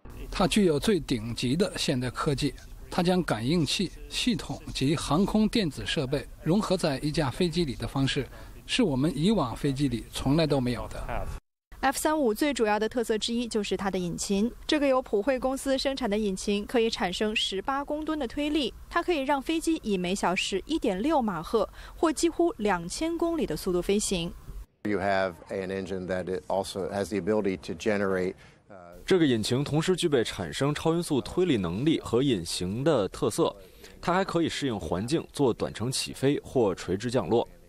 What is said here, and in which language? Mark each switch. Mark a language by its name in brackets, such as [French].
[Chinese] 它具有最顶级的现代科技，它将感应器系统及航空电子设备融合在一架飞机里的方式，是我们以往飞机里从来都没有的。 F-35 最主要的特色之一就是它的引擎。这个由普惠公司生产的引擎可以产生18公吨的推力，它可以让飞机以每小时1.6马赫或几乎2000公里的速度飞行。 [English] You have an engine that it also has the ability to generate. [Chinese] 这个引擎同时具备产生超音速推力能力和引擎的特色，它还可以适应环境做短程起飞或垂直降落。